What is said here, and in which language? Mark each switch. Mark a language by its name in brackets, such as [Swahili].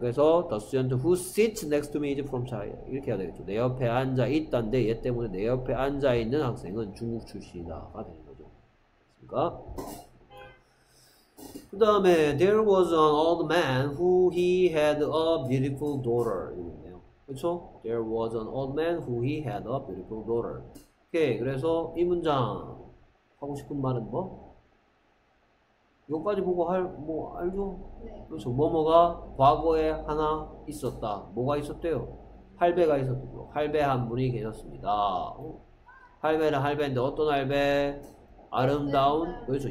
[Korean] 그래서 [English] the student who sits next to me is from China. [Korean] 이렇게 해야 되겠죠. 내 옆에 앉아 있다인데 얘 때문에 내 옆에 앉아 있는 학생은 중국 출신이다가 되는 거죠. 됐습니까? 그 다음에 [English] there was an old man who he had a beautiful daughter. [Korean] 그렇죠? [English] There was an old man who he had a beautiful daughter. [Korean] 오케이. 그래서 이 문장 하고 싶은 말은 뭐? 여기까지 보고 할 뭐 알죠? 네. 그렇죠. 뭐뭐가 과거에 하나 있었다. 뭐가 있었대요? 할배가 있었고 할배 한 분이 계셨습니다. 할배는 할배인데 어떤 할배? 아름다운 네, 네. 그렇죠.